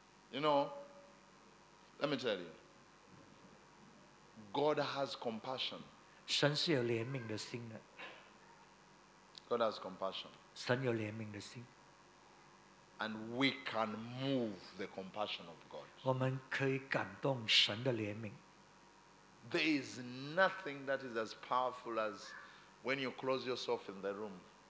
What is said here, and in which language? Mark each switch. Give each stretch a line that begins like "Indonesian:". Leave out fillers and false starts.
English: You know, let me tell you, God has compassion.
Chinese: 神是有怜悯的心的。
English: God has compassion.
Chinese: 神有怜悯的心。
English: And we can move the compassion of God.
Chinese: 我们可以感动神的怜悯。
English: There is nothing that is as powerful as when you close yourself in the room.